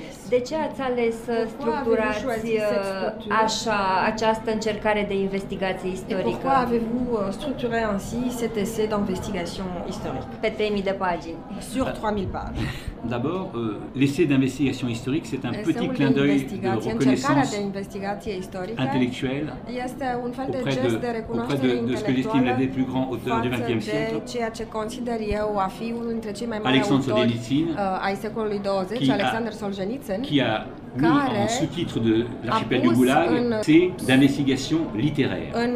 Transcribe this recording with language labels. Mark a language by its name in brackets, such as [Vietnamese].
[Romanian] De ce ați ales să structurați așa această încercare de investigație istorică? [French] Pourquoi avez-vous structuré ainsi cet essai d'investigation historique? [Romanian] Pe 3000 de pagini. [French] Sur 3000 pages. D'abord, l'essai d'investigation historique, c'est un petit clin d'œil de reconnaissance intellectuelle auprès de ce que j'estime l'un des plus grands auteurs du XXe siècle, [Romanian] ceea ce consider eu a fi unul dintre cei mai mari Alexandre Solzhenitsyn, ai secolului 20, Alexander Solzhenitsyn, [French] qui a mis en sous-titre de l'archipel du Goulag, c'est d'investigation littéraire.